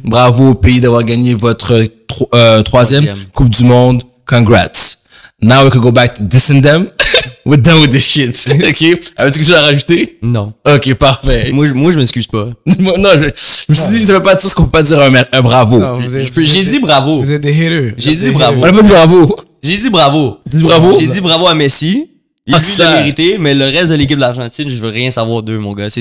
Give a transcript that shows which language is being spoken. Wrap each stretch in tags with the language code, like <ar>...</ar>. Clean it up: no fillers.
<fr>Bravo au pays d'avoir gagné votre troisième Coupe du Monde.</fr> <en>Congrats. Now we can go back to dissing them. We're done with this shit.</en> <fr>OK. Avais-tu quelque chose à rajouter? Non. OK, parfait. Moi, je m'excuse pas. Je me suis dit, ça veut pas dire ce qu'on peut pas dire un bravo. Non, j'ai dit bravo. Vous êtes des haters. J'ai dit bravo. On a pas dit bravo. J'ai dit bravo à Messi. Il a mérité, mais le reste de l'équipe de l'Argentine, je veux rien savoir d'eux, mon gars.</fr>